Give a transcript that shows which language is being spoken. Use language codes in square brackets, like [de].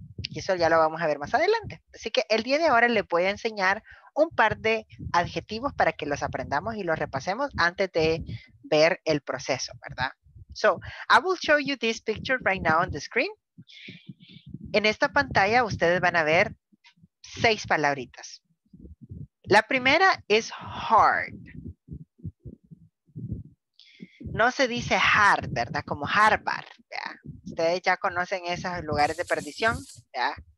[es] Y eso ya lo vamos a ver más adelante. Así que el día de ahora les voy a enseñar un par de adjetivos para que los aprendamos y los repasemos antes de ver el proceso, ¿verdad? [en] So, I will show you this picture right now on the screen. [es] En esta pantalla ustedes van a ver 6 palabritas. La primera es hard. No se dice hard, ¿verdad? Como Harvard, ¿verdad? Ustedes ya conocen esos lugares de perdición, ¿ya?